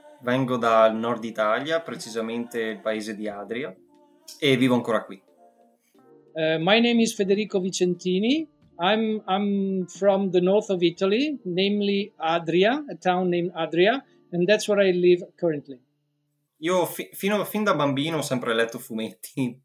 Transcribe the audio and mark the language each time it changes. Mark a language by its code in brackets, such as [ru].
[it] Vengo dal nord Italia, precisamente il paese di Adria, e vivo ancora qui. [en] My name is Federico Vicentini. I'm from the north of Italy, namely Adria, a town named Adria, and that's where I live currently. [it] Io fin da bambino ho sempre letto fumetti.